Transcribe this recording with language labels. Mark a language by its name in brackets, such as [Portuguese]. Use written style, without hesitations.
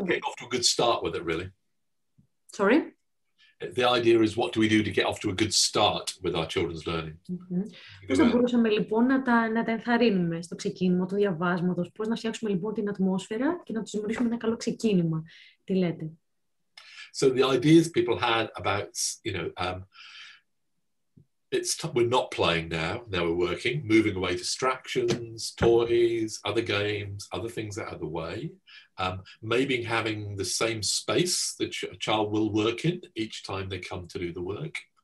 [English] Get off to a good start with it, really. Sorry? The idea is, what do we do to get off to a good start with our children's learning? Mm-hmm. [Greek] Πώς θα μπορούσαμε λοιπόν να τα ενθαρρύνουμε στο ξεκίνημα του διαβάσματος, πώς να φτιάξουμε λοιπόν την ατμόσφαιρα και να τους δημιουργήσουμε ένα καλό ξεκίνημα. Τι λέτε? [English] So the ideas people had about, you know, we're not playing now. Now we're working, moving away distractions, toys, other games, other things out of the way. Maybe having the same space that a child will work in each time they come to do the work.